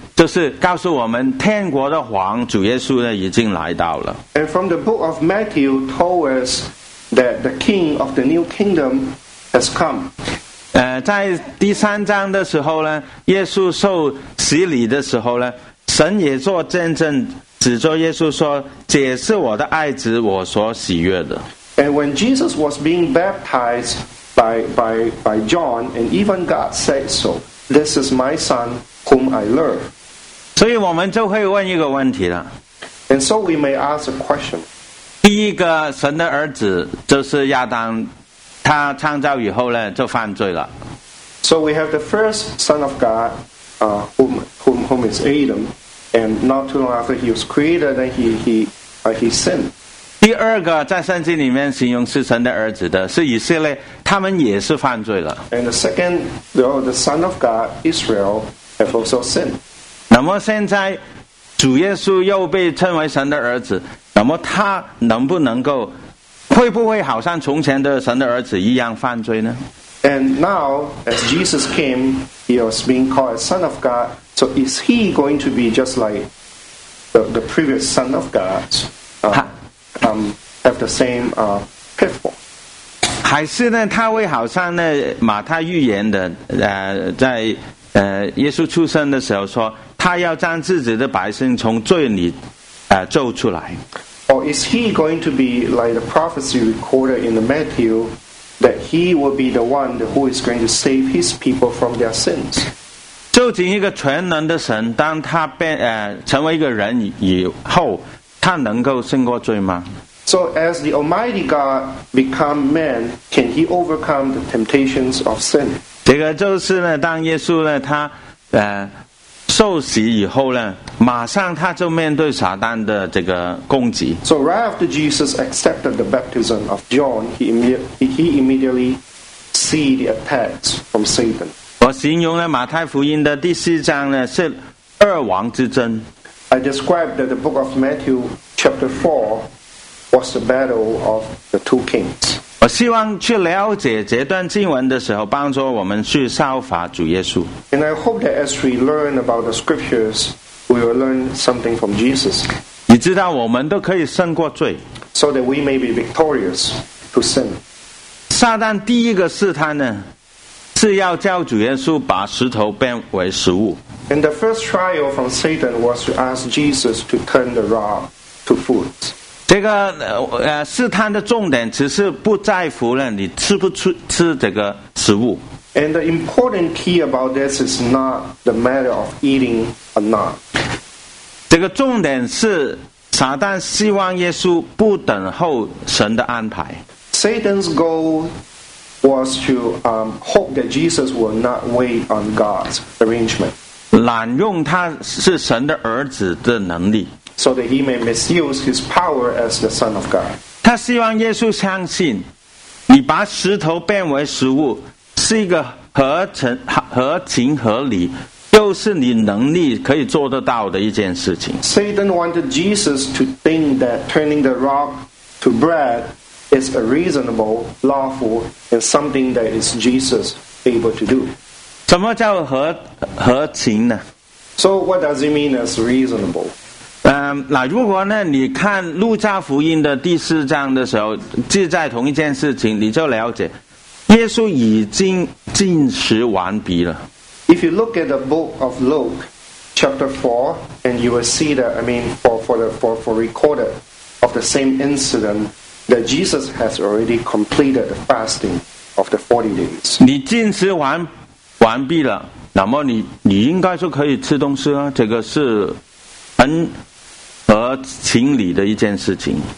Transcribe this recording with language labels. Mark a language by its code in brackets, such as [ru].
[zh] 就是告诉我们，天国的王主耶稣呢已经来到了。 [en] And from the book of Matthew, told us that the King of the New Kingdom has come. [zh] 在第三章的时候呢，耶稣受洗礼的时候呢，神也做见证，指着耶稣说：“这是我的爱子，我所喜悦的。” [en] And when Jesus was being baptized by John, and even God said so, "This is my son whom I love." [zh] 所以我们就会问一个问题了。 [en] And so we may ask a question. [zh] 第一个神的儿子就是亚当，他创造以后呢就犯罪了。 [en] So we have the first son of God, whom is Adam, and not too long after he was created, then he sinned. [zh] 第二个在圣经里面形容是神的儿子的是以色列，他们也是犯罪了。 [en] And the second, the son of God, Israel, have also sinned. [zh] 那么现在主耶稣又被称为神的儿子，那么他能不能够，会不会好像从前的神的儿子一样犯罪呢？ [en] And now, as Jesus came, he was being called son of God, so is he going to be just like the previous son of God? Have the same pitfall. [zh] 还是呢他会好像呢马太预言的在耶稣出生的时候说他要将自己的百姓从罪里救出来。 [en] Or is he going to be like the prophecy recorded in the Matthew that he will be the one who is going to save his people from their sins? [zh] 究竟一个全能的神当他成为一个人以后他能够胜过罪吗？ [en] So as the Almighty God become man, can he overcome the temptations of sin? [zh] 这个就是呢，当耶稣呢，他受洗以后呢，马上他就面对撒旦的这个攻击。 [en] So right after Jesus accepted the baptism of John, he immediately see the attacks from Satan. [zh] 我形容呢，马太福音的第四章呢，是二王之争。 [en] I described that the book of Matthew chapter 4 was the battle of the two kings. [zh] 我希望去了解这段经文的时候帮助我们去效法主耶稣。 [en] And I hope that as we learn about the scriptures, we will learn something from Jesus. [zh] 你知道我们都可以胜过罪。 [en] So that we may be victorious to sin. [zh] 撒旦第一个试探呢是要叫主耶稣把石头变为食物。 [en] And the first trial from Satan was to ask Jesus to turn the rock to food. [zh] 这个试探的重点其实不在乎了你吃不吃这个食物。 [en] And the important key about this is not the matter of eating or not. [zh] 这个重点是撒旦希望耶稣不等候神的安排。 [en] Satan's goal. Was to hope that Jesus will not wait on God's arrangement. [zh] 滥用他是神的儿子的能力 [en] so that he may misuse his power as the Son of God. [zh] 他希望耶稣相信，你把石头变为食物是一个合情合理，就是你能力可以做得到的一件事情。 [en] Satan wanted Jesus to think that turning the rock to bread. Is a reasonable, lawful, and something that is Jesus able to do. [zh] 什么叫合情呢？ [en] So what does it mean as reasonable? [zh] 那如果呢，你看《路加福音》的第四章的时候，记载同一件事情，你就了解，耶稣已经进食完毕了。 [en] If you look at the book of Luke, chapter 4, and you will see that, recorded of the same incident. That Jesus has already completed the fasting of the 40 days. [zh] 你进食完毕了，那么你应该就可以吃东西了。这个是很合情理的一件事情。